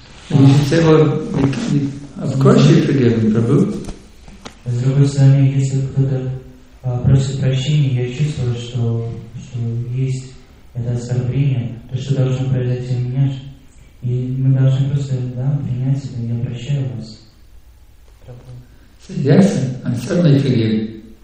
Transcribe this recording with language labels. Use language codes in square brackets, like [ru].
[en] You should say, well, of course you forgive him, Prabhu. [ru] С другой стороны, если кто-то просит прощения, я чувствую, что есть это оскорбление, то что должно произойти у меня? И мы должны просто, да, принять это, я прощаю вас. [en] Yes, I'm certainly forgive.